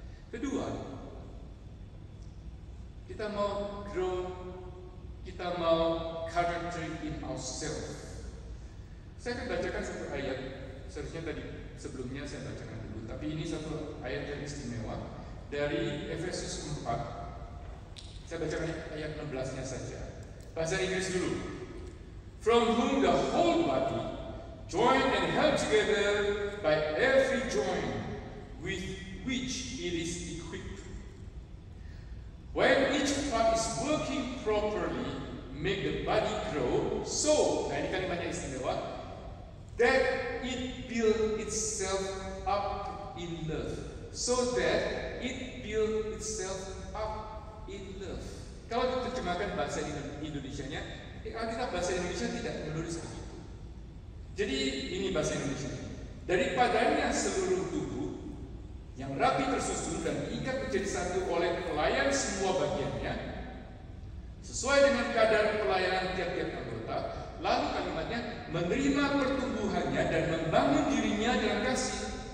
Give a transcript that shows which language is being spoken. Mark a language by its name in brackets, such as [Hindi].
[Indonesian] Kedua, kita mau grow, kita mau [English] character in ourselves. [Indonesian] Saya akan bacakan satu ayat. Seharusnya tadi sebelumnya saya bacakan dulu, tapi ini satu ayat yang istimewa dari Efesus 4. Saya bacakan ayat 16-nya saja. Bahasa Inggris dulu. [English] From whom the whole body, joined and held together by every joint with which it is equipped, when each part is working properly, make the body grow. So, [Indonesian] nah ini kalimatnya istimewa. [English] That it build itself up in love. So that it build itself up in love. [Indonesian] Kalau diterjemahkan bahasa Indonesia-nya, kita bahasa Indonesia tidak menulis begitu. Jadi ini bahasa Indonesia. Daripadanya seluruh tubuh yang rapi tersusun dan diikat menjadi satu oleh pelayan semua bagiannya, sesuai dengan kadar pelayanan tiap-tiap anggota, lalu kalimatnya, menerima pertumbuhannya dan membangun dirinya dengan kasih.